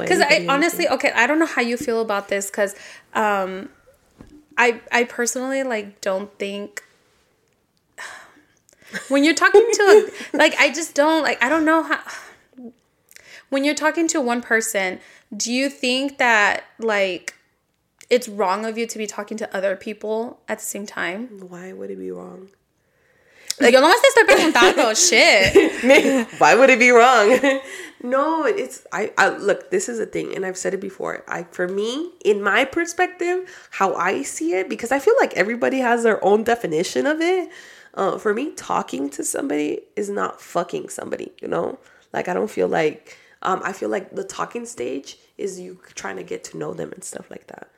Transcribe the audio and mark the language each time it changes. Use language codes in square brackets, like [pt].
[en] Because I don't know how you feel about this, because I personally, like, don't think, when you're talking to, like, I just don't, like, I don't know how, when you're talking to one person, do you think that, like, it's wrong of you to be talking to other people at the same time? Why would it be wrong? Like, [es] yo no más te estoy preguntando, [en] shit. Why would it be wrong? No, it's, I look, this is a thing, and I've said it before. For me, in my perspective, how I see it, because I feel like everybody has their own definition of it. For me, talking to somebody is not fucking somebody, you know? Like, I don't feel like, I feel like the talking stage is you trying to get to know them and stuff like that.